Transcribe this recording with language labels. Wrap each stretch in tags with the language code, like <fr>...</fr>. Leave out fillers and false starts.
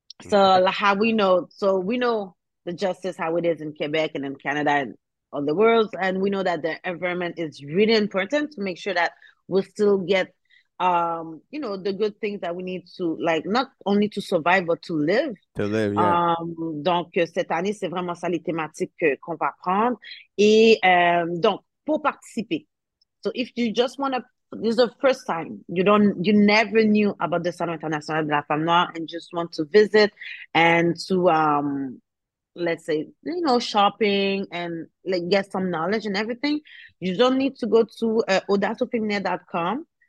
<en>So how we know, the justice, how it is in Quebec and in Canada and all the world. And we know that the environment is really important to make sure that we still get, the good things that we need to, like, not only to survive, but to live. To live, yeah.</en> <fr>Donc, cette année, c'est vraiment ça les thématiques qu'on va prendre. Et donc, pour participer.</fr> <en>So, if you just want to, this is the first time, you never knew about the Salon International de la Femme Noire and just want to visit and to, let's say, shopping and, like, get some knowledge and everything, you don't need to go to audacefeminin.com.</en>